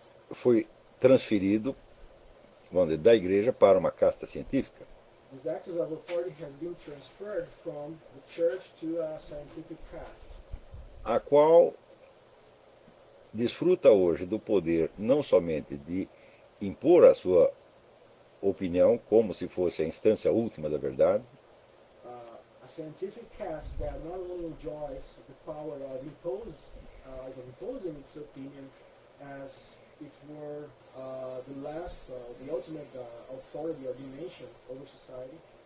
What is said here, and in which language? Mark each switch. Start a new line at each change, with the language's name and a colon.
Portuguese: foi transferido, vamos dizer, da igreja para uma casta científica.
English: This axis of authority has been transferred from the church to a scientific caste.
Portuguese: A qual desfruta hoje do poder não somente de impor a sua opinião como se fosse a instância última da verdade.
English: A scientific caste that not only enjoys the power of imposing its opinion as it were the ultimate authority or dimension over society,